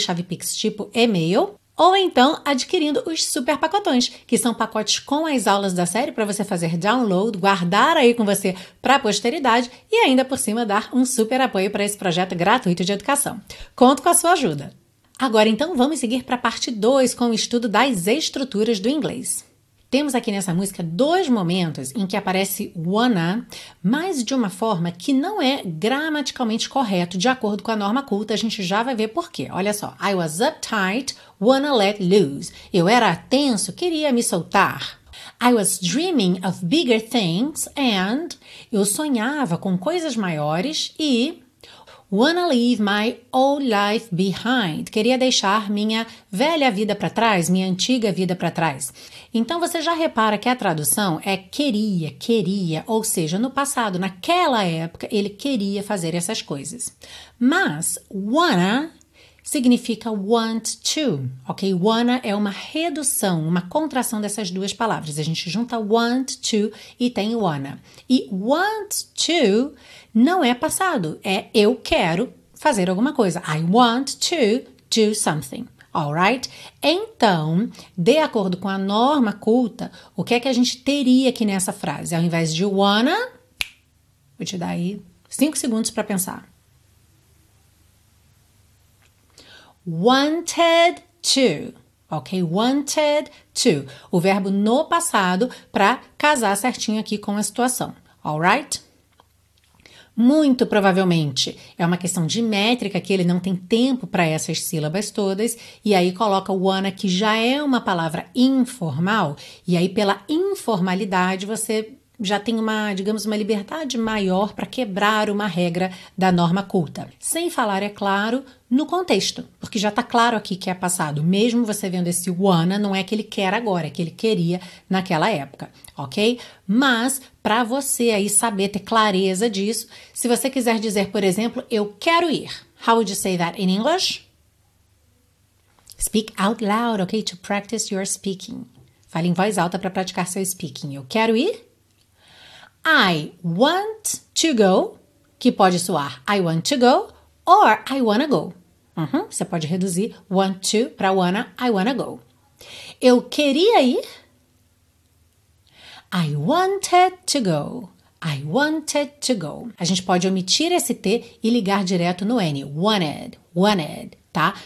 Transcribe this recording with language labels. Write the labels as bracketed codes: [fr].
[pt] Chave Pix tipo e-mail. Ou então adquirindo os super pacotões, que são pacotes com as aulas da série para você fazer download, guardar aí com você para a posteridade e ainda por cima dar um super apoio para esse projeto gratuito de educação. Conto com a sua ajuda. Agora então vamos seguir para a parte 2 com o estudo das estruturas do inglês. Temos aqui nessa música dois momentos em que aparece wanna, mas de uma forma que não é gramaticalmente correto de acordo com a norma culta. A gente já vai ver por quê. Olha só. [en] I was uptight, wanna let loose. [pt] Eu era tenso, queria me soltar. [en] I was dreaming of bigger things and... [pt] Eu sonhava com coisas maiores e... [en] Wanna leave my old life behind. [pt] Queria deixar minha velha vida para trás, minha antiga vida para trás. Então, você já repara que a tradução é queria, queria. Ou seja, no passado, naquela época, ele queria fazer essas coisas. Mas, wanna significa want to, ok? Wanna é uma redução, uma contração dessas duas palavras. A gente junta want to e tem wanna. E want to não é passado, é eu quero fazer alguma coisa. [en] I want to do something, alright? [pt] Então, de acordo com a norma culta, o que é que a gente teria aqui nessa frase? Ao invés de wanna, vou te dar aí 5 segundos para pensar. [en] Wanted to, ok? Wanted to. [pt] O verbo no passado para casar certinho aqui com a situação, alright? Muito provavelmente é uma questão de métrica que ele não tem tempo para essas sílabas todas e aí coloca o wanna, que já é uma palavra informal, e aí pela informalidade você já tem uma, digamos, uma liberdade maior para quebrar uma regra da norma culta. Sem falar, é claro, no contexto, porque já está claro aqui que é passado. Mesmo você vendo esse wanna, não é que ele quer agora, é que ele queria naquela época, ok? Mas, para você aí saber, ter clareza disso, se você quiser dizer, por exemplo, eu quero ir. [en] How would you say that in English? Speak out loud, ok? To practice your speaking. [pt] Fale em voz alta para praticar seu speaking. Eu quero ir. [en] I want to go, [pt] que pode soar [en] I want to go, or I wanna go. [pt] Uhum, você pode reduzir want to para wanna, [en] I wanna go. [pt] Eu queria ir. [en] I wanted to go. I wanted to go. [pt] A gente pode omitir esse T e ligar direto no N. Wanted, wanted, tá?